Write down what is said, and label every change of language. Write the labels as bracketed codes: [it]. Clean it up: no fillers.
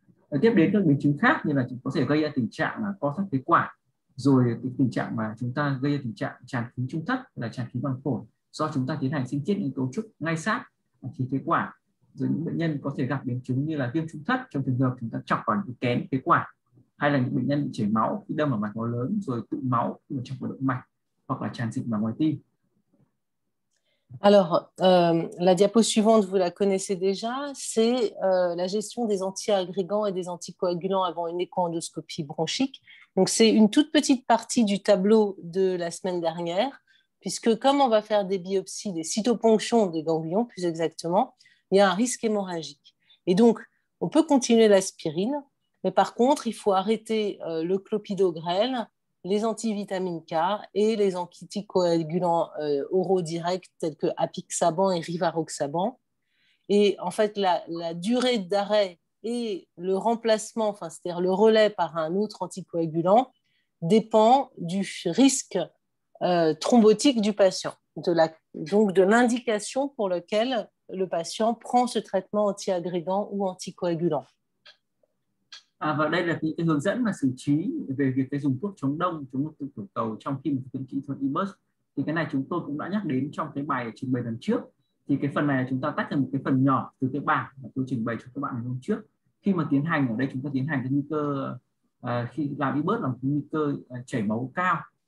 [vi] Và tiếp đến các biến chứng khác như là có thể gây ra tình trạng là co thắt phế quản, rồi tình trạng mà chúng ta gây ra tình trạng tràn khí trung thất là tràn khí màng phổi do chúng ta tiến hành sinh thiết những cấu trúc ngay sát khí phế quản. Rồi những bệnh nhân có thể gặp biến chứng như là viêm trung thất trong trường hợp chúng ta chọc vào những kén phế quản, hay là những bệnh nhân bị chảy máu khi đâm vào mạch máu lớn rồi tụ máu khi mà chọc vào động mạch, hoặc là tràn dịch vào ngoài tim. [fr] Alors, la diapo suivante, vous la connaissez déjà, c'est la gestion des antiagrégants et des anticoagulants avant une échoendoscopie bronchique. Donc, c'est une toute petite partie du tableau de la semaine dernière, puisque comme on va faire des biopsies, des cytoponctions des ganglions, plus exactement, il y a un risque hémorragique. Et donc, on peut continuer l'aspirine, mais par contre, il faut arrêter le clopidogrel, les antivitamines K et les anticoagulants oraux directs tels que apixaban et rivaroxaban. Et en fait, la durée d'arrêt et le remplacement, enfin, c'est-à-dire le relais par un autre anticoagulant, dépend du risque thrombotique du patient, donc de l'indication pour laquelle le patient prend ce traitement antiagrégant ou anticoagulant. [vi] À, và đây là cái hướng dẫn mà xử trí về việc cái dùng thuốc chống đông, chống đông tiểu cầu trong khi thực hiện kỹ thuật IMUS. Thì cái này chúng tôi cũng đã nhắc đến trong cái bài trình bày lần trước. Thì cái phần này chúng ta tách thành một cái phần nhỏ từ cái bảng mà tôi trình bày cho các bạn hôm trước. Khi mà tiến hành ở đây chúng ta tiến hành cái nguy cơ khi làm IMUS là nguy cơ chảy máu cao.